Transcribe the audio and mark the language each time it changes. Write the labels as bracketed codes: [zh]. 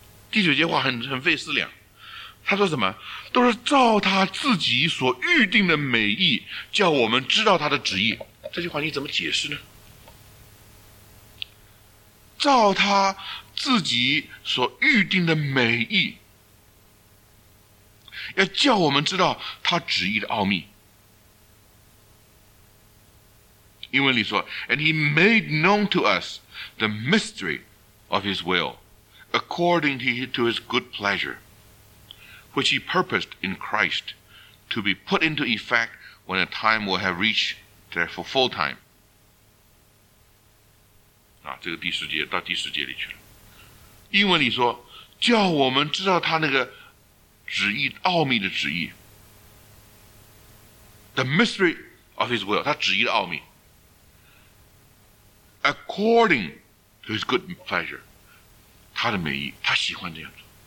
[zh] 第九节话很费思量，他说什么？都是照他自己所预定的美意，叫我们知道他的旨意。这句话你怎么解释呢？照他自己所预定的美意，要叫我们知道他旨意的奥秘。 [en] 英文里说 And he made known to us the mystery of his will according to his good pleasure which he purposed in Christ to be put into effect when the time will have reached their full time。 [zh] 这个第十节到第十节里去了。英文里说叫我们知道他那个旨意，奥秘的旨意， [en] The mystery of his will， [zh] 他旨意的奥秘， [en] According to his good pleasure， [zh] 他的美意，他喜欢这样做。